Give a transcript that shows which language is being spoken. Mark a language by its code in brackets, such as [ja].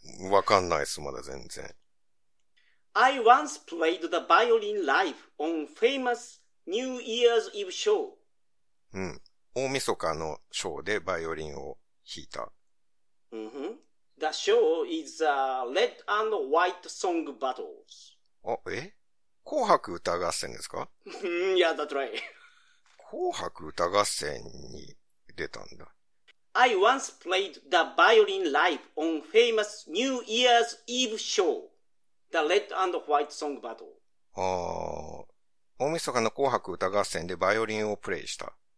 [ja] わかんないっす、まだ全然。 [en] I once played the violin live on famous New Year's Eve show. [ja] うん。大晦日のショーでバイオリンを弾いた。 Mm-hmm. [en] The show is a red and white song battles. [ja] あ、え？紅白歌合戦ですか？ [en] Yeah, that's right. [ja] 紅白歌合戦に出たんだ。 [en] I once played the violin live on famous New Year's Eve show, the Red and White Song Battle. [ja] ああ、大晦日の紅白歌合戦でバイオリンをプレイした